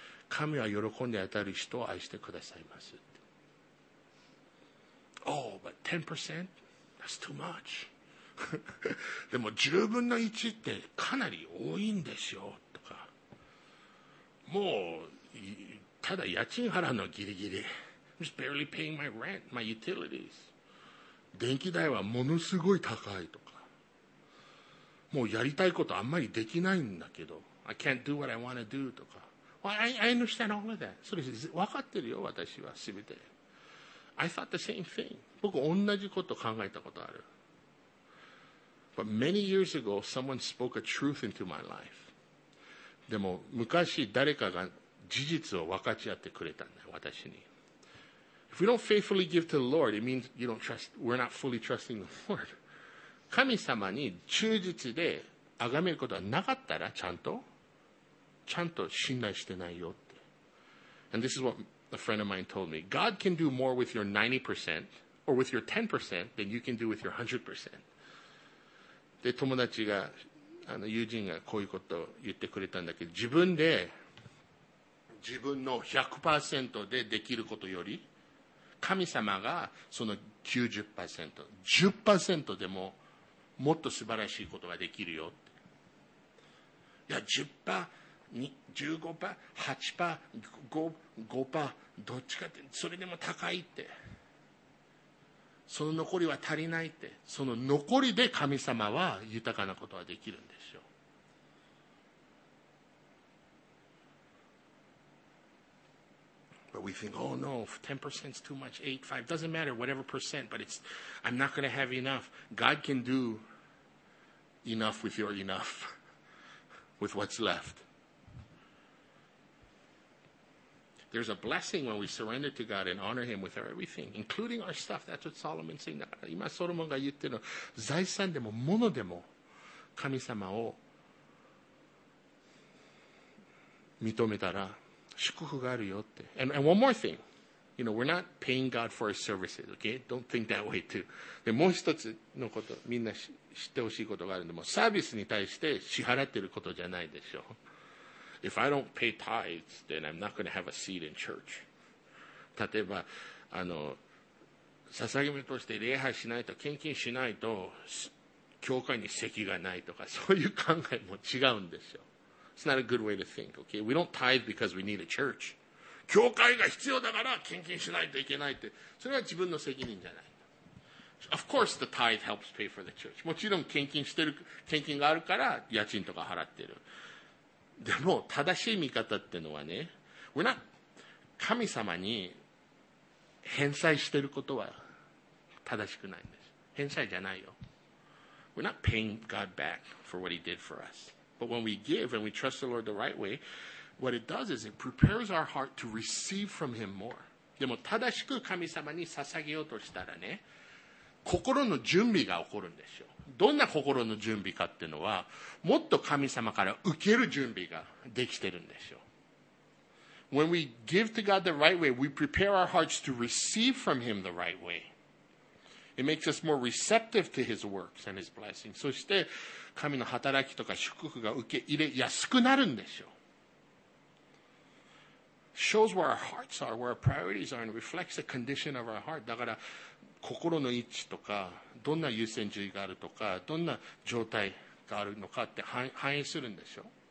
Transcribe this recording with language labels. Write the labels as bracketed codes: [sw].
[ja] 神は喜んで与える人を愛してくださいます。 [en] Oh, but 10%? That's too much. [ja] でも10分の1ってかなり多いんですよ。とか。もう、ただ家賃払うのギリギリ。 [en] I'm just barely paying my rent, my utilities. [ja] 電気代はものすごい高いとか。もうやりたいことあんまりできないんだけど。 [en] I can't do what I want to do とか。 Well, I understand all of that. [ja] それ分かってるよ、私は、すべて。 [en] I thought the same thing. [ja] 僕、同じこと考えたことある。 [en] But many years ago, someone spoke a truth into my life. [ja] でも、昔、誰かが事実を分かち合ってくれたんだ、私に。 [en] If we don't faithfully give to the Lord, it means you don't trust, we're not fully trusting the Lord. [ja] 神様に忠実で崇めることがなかったらちゃんと信頼してないよって。 [en] And this is what a friend of mine told me. God can do more with your 90% or with your 10% than you can do with your 100%. [ja] で、友達が、友人がこういうことを言ってくれたんだけど、自分の 100% でできることより、神様がその 90%、10% でももっと素晴らしいことができるよって。いや 10%、15%、8%、5%、どっちかってそれでも高いって、その残りは足りないって、その残りで神様は豊かなことができるんでしょう。 [en] But we think, oh no, 10% is too much, 8%, 5%, doesn't matter, whatever percent, but it's, I'm not going to have enough. God can doEnough with your enough, with what's left. There's a blessing when we surrender to God and honor Him with our everything, including our stuff. That's what Solomon's saying. [ja] だから今ソロモンが言ってるの、財産でも物でも神様を認めたら祝福があるよって。 [en] And one more thing. You know, we're not paying God for His services, okay? Don't think that way too. [ja] で、もう一つのこと、みんな知ってほしいことがあるんで、もうサービスに対して支払ってることじゃないでしょう。 [en] If I don't pay tithes, then I'm not going to have a seat in church. [ja] 例えば、捧げ物として礼拝しないと、献金しないと、教会に席がないとか、そういう考えも違うんですよ。 [en] It's not a good way to think, okay? We don't tithe because we need a church. [ja] 教会が必要だから献金しないといけないって、それは自分の責任じゃない。 [en] Of course the tithe helps pay for the church. [ja] もちろん献金があるから家賃とか払ってる。でも正しい見方ってのはね、 [en] we're not [ja] 神様に返済していることは正しくないんです。返済じゃないよ。 [en] We're not paying God back for what he did for us. But when we give and we trust the Lord the right way, what it does is it prepares our heart to receive from him more. [ja] でも正しく神様に捧げようとしたらね、心の準備が起こるんですよ。どんな心の準備かっていうのは、もっと神様から受ける準備ができてるんですよ。 [en] When we give to God the right way, we prepare our hearts to receive from him the right way. It makes us more receptive to his works and his blessings. [ja] そして神の働きとか祝福が受け入れやすくなるんですよ。 [en] Shows where our hearts are, where our priorities are, and reflects the condition of our heart. [ja] だから心の位置とかどんな優先順位があるとかどんな状態があるのかって反映するんでしょ。